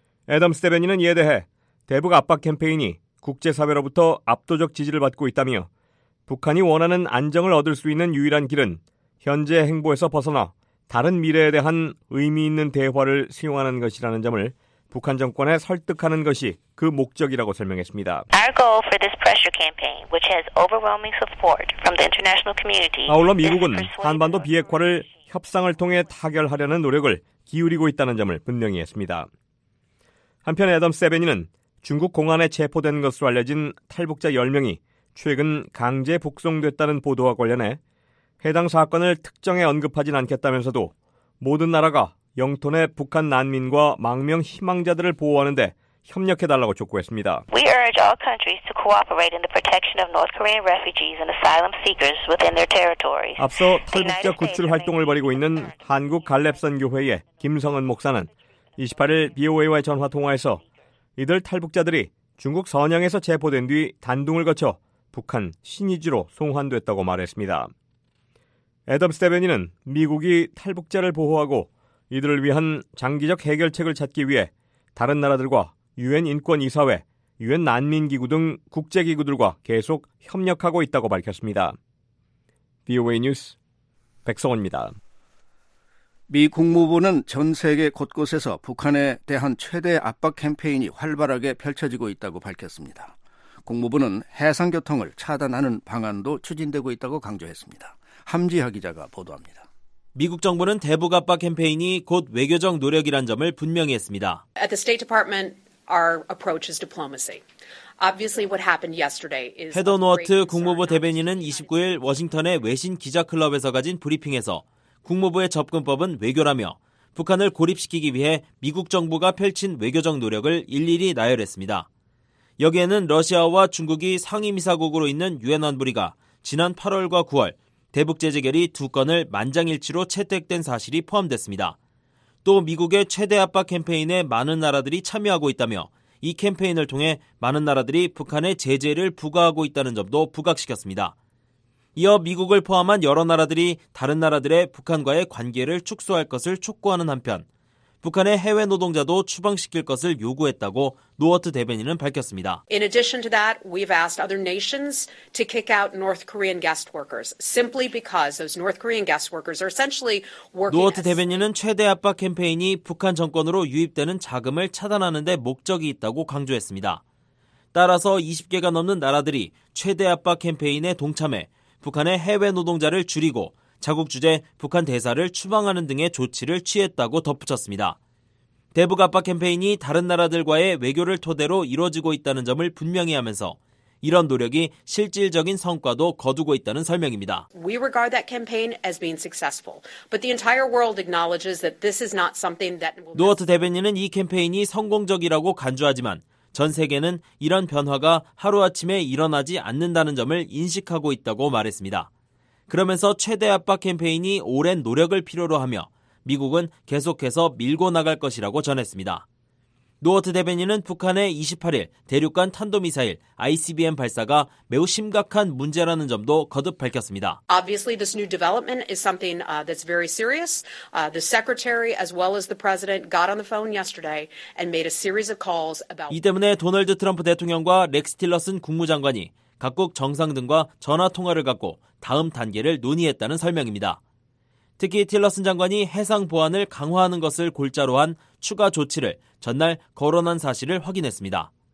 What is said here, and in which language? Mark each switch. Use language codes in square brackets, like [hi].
[ko] 애덤 스테베니는 이에 대해 대북 압박 캠페인이 국제사회로부터 압도적 지지를 받고 있다며 북한이 원하는 안정을 얻을 수 있는 유일한 길은 현재 행보에서 벗어나 다른 미래에 대한 의미 있는 대화를 수용하는 것이라는 점을 북한 정권에 설득하는 것이 그 목적이라고 설명했습니다. [en] Our goal for this pressure campaign, which has overwhelming support from the international community, [ko] 아울러 미국은 한반도 비핵화를 협상을 통해 타결하려는 노력을 기울이고 있다는 점을 분명히 했습니다. 한편 애덤 세베니는 중국 공안에 체포된 것으로 알려진 탈북자 10명이 최근 강제 북송됐다는 보도와 관련해 해당 사건을 특정해 언급하진 않겠다면서도 모든 나라가 영토 내 북한 난민과 망명 희망자들을 보호하는 데 협력해달라고 촉구했습니다. [en] We urge all countries to cooperate in the protection of North Korean refugees and asylum seekers within their territories. [ko] 앞서 탈북자 구출 활동을 벌이고 있는 한국 갈렙선교회의 김성은 목사는 28일 BOA와의 전화 통화에서 이들 탈북자들이 중국 선양에서 체포된 뒤 단둥을 거쳐 북한 신의지로 송환됐다고 말했습니다. 애덤 세베니는 미국이 탈북자를 보호하고 이들을 위한 장기적 해결책을 찾기 위해 다른 나라들과 유엔 인권 이사회, 유엔 난민 기구 등 국제 기구들과 계속 협력하고 있다고 밝혔습니다. VOA 뉴스 백성원입니다. 미 국무부는 전 세계 곳곳에서 북한에 대한 최대 압박 캠페인이 활발하게 펼쳐지고 있다고 밝혔습니다. 국무부는 해상 교통을 차단하는 방안도 추진되고 있다고 강조했습니다. 함지하 기자가 보도합니다. 미국 정부는 대북 압박 캠페인이 곧 외교적 노력이란 점을 분명히 했습니다. [en] At the State Department, our approach is diplomacy. Obviously, what happened yesterday is. [ko] 헤더 노어트 국무부 대변인은 29일 워싱턴의 외신 기자 클럽에서 가진 브리핑에서 국무부의 접근법은 외교라며 북한을 고립시키기 위해 미국 정부가 펼친 외교적 노력을 일일이 나열했습니다. 여기에는 러시아와 중국이 상임이사국으로 있는 유엔 안보리가 지난 8월과 9월 대북 재재결의 두 건을 만장일치로 채택된 사실이 포함됐습니다. 또 미국의 최대 압박 캠페인에 많은 나라들이 참여하고 있다며 이 캠페인을 통해 많은 나라들이 북한에 제재를 부과하고 있다는 점도 부각시켰습니다. 이어 미국을 포함한 여러 나라들이 다른 나라들의 북한과의 관계를 축소할 것을 촉구하는 한편 북한의 해외 노동자도 추방시킬 것을 요구했다고 노어트 대변인은 밝혔습니다. [en] In addition to that, we've asked other nations to kick out North Korean guest workers simply because those North Korean guest workers are essentially working. [ko] 노어트 대변인은 최대 압박 캠페인이 북한 정권으로 유입되는 자금을 차단하는 데 목적이 있다고 강조했습니다. 따라서 20개가 넘는 나라들이 최대 압박 캠페인에 동참해 북한의 해외 노동자를 줄이고 자국 주재 북한 대사를 추방하는 등의 조치를 취했다고 덧붙였습니다. 대북 압박 캠페인이 다른 나라들과의 외교를 토대로 이루어지고 있다는 점을 분명히 하면서 이런 노력이 실질적인 성과도 거두고 있다는 설명입니다. [en] We regard that campaign as being successful, but the entire world acknowledges that this is not something that. [ko] 노어트 대변인은 이 캠페인이 성공적이라고 간주하지만 전 세계는 이런 변화가 하루아침에 일어나지 않는다는 점을 인식하고 있다고 말했습니다. 그러면서 최대 압박 캠페인이 오랜 노력을 필요로 하며 미국은 계속해서 밀고 나갈 것이라고 전했습니다. 노어트 대변인은 북한의 28일 대륙간 탄도미사일 ICBM 발사가 매우 심각한 문제라는 점도 거듭 밝혔습니다. [en] Obviously this new development is something that's very serious. The secretary as well as the president got on the phone yesterday and made a series of calls about. [ko] 이 때문에 도널드 트럼프 대통령과 렉스 틸러슨 국무장관이 각국 정상 등과 전화 통화를 갖고 다음 단계를 논의했다는 설명입니다. 특히 틸러슨 장관이 해상 보안을 강화하는 것을 골자로 한 추가 조치를 전날 거론한 사실을 확인했습니다.